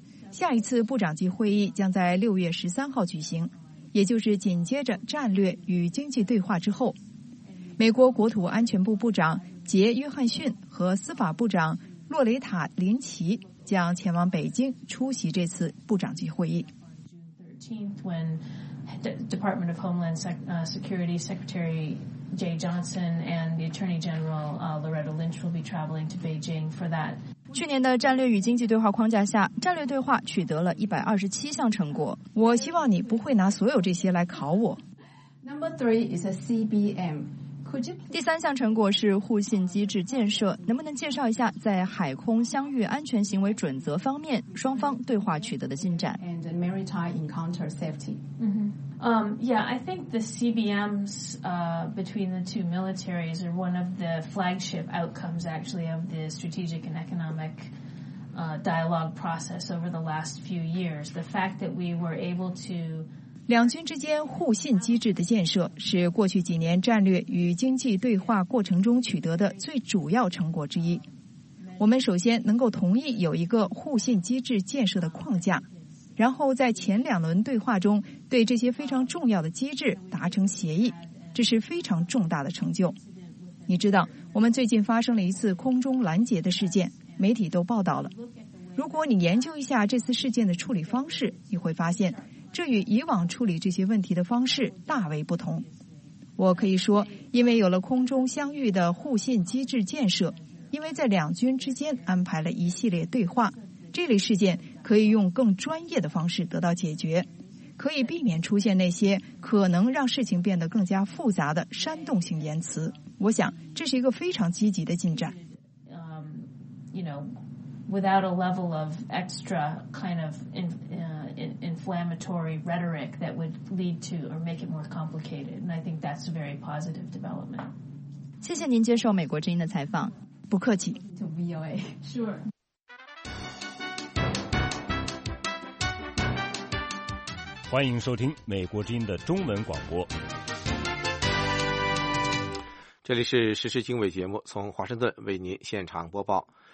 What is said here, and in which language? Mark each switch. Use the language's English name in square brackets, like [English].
[Chinese] 下一次部长级会议将在6月13号举行，也就是紧接着战略与经济对话之后。美国国土安全部部长杰·约翰逊和司法部长洛雷塔·林奇将前往北京出席这次部长级会议。 [English] When the Department of Homeland Security Secretary Jay Johnson and the Attorney General Loretta Lynch will be traveling to Beijing for that. [Chinese] 去年的战略与经济对话框架下，战略对话取得了127项成果。我希望你不会拿所有这些来考我。 [English] Number three is a CBM. [Chinese] 第三项成果是互信机制建设，能不能介绍一下在海空相遇安全行为准则方面双方对话取得的进展 [English] ？And the maritime encounter safety. I think the CBMs between the two militaries are one of the flagship outcomes actually of the strategic and economic dialogue process over the last few years. The fact that we were able to [Chinese] 两军之间互信机制的建设是过去几年战略与经济对话过程中取得的最主要成果之一。我们首先能够同意有一个互信机制建设的框架，然后在前两轮对话中对这些非常重要的机制达成协议，这是非常重大的成就。你知道，我们最近发生了一次空中拦截的事件，媒体都报道了。如果你研究一下这次事件的处理方式，你会发现这与以往处理这些问题的方式大为不同。我可以说，因为有了空中相遇的互信机制建设，因为在两军之间安排了一系列对话，这类事件可以用更专业的方式得到解决，可以避免出现那些可能让事情变得更加复杂的煽动性言辞。我想这是一个非常积极的进展。 [English] Without a level of extra kind of inflammatory rhetoric that would lead to or make it more complicated. And I think that's a very positive development. [Chinese] 谢谢您接受美国之音的采访。不客气。 [English] To VOA. Sure. [Chinese] 欢迎收听美国之音的中文广播。这里是时事经纬节目，从华盛顿为您现场播报。